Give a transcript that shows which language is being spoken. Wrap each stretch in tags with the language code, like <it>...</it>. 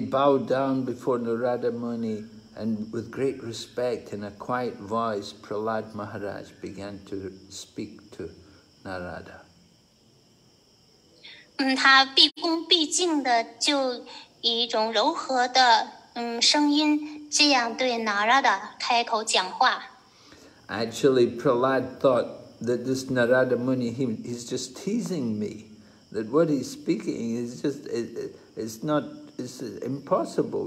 <en>bowed down before Narada Muni, and with great respect in a quiet voice, Prahlad Maharaj began to speak to Narada.</en> <zh>他毕恭毕敬的就以一种柔和的声音。</zh> <en>Actually, Prahlad thought that this Narada Muni, he's just teasing me. That what he's speaking is just, it's impossible.</en>